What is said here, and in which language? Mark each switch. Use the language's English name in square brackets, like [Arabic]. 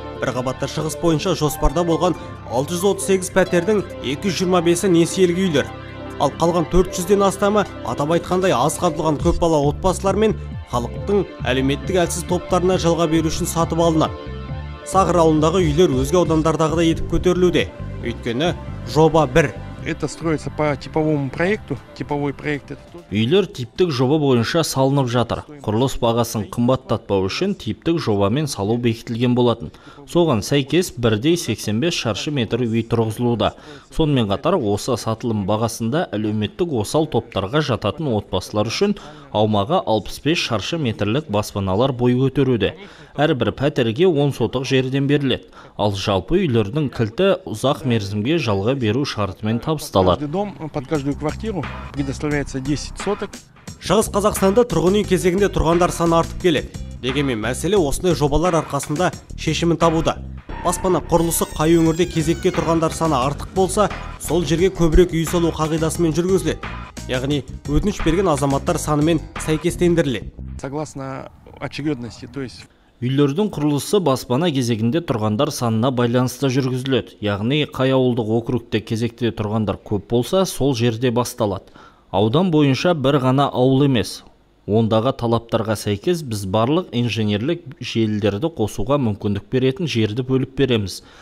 [Kazakh] Бір қабатты шығыс бойынша жоспарда болған 638 пәтердің 225-і несиелік үйлер. Ал қалған 400-ден астамы атап айтқандай аз қамтылған көпбалалы отбасылар мен халықтың әлеуметтік әлсіз топтарына жалға беру үшін сатып алынады. Сағыр ауылындағы үйлер өзге аудандардағыдай етіп көтерілуде. Өйткені жоба бір. [Russian] Это строится по типовому проекту. Типовой проект это тоже. [Kazakh] Үйлер типтік жоба бойынша салынып жатыр. Құрылыс бағасын қымбаттатпау үшін типтік жобамен салу бекітілген болатын. Соған сәйкес 1,85 шаршы метр үй тұрғызылуда. Сонымен қатар осы сатылым бағасында әлеуметтік осал топтарға жататын отбасылар үшін аумағы 65 шаршы метрлік баспаналар бой көтеруде. Әрбір пәтерге 10 сотық жерден беріледі. Ал жалпы үйлердің кілті ұзақ мерзімге жалға беру шартымен табысталады. Шығыс Қазақстанда тұрғын үй кезегінде тұрғандар саны артып келеді. Дегенмен мәселе осындай жобалар арқасында шешімін табуда. Баспана құрылысы қай өңірде кезекке тұрғандар саны артық болса, сол жерге көбірек үй салу қағидасымен жүргізіледі. Яғни өтініш берген азаматтар санымен сәйкестендіріледі. [Russian] Согласно очередности, то есть [Kazakh] үйлердің құрылысы баспана кезегінде тұрғандар санына байланысты жүргізіледі. Яғни қай ауылдық округте кезекте тұрғандар көп болса, сол жерде басталады. Аудан бойынша бір ғана ауыл емес, Ондағы талаптарға сәйкес біз барлық инженерлік желілерді қосуға мүмкіндік беретін жерді бөліп береміз.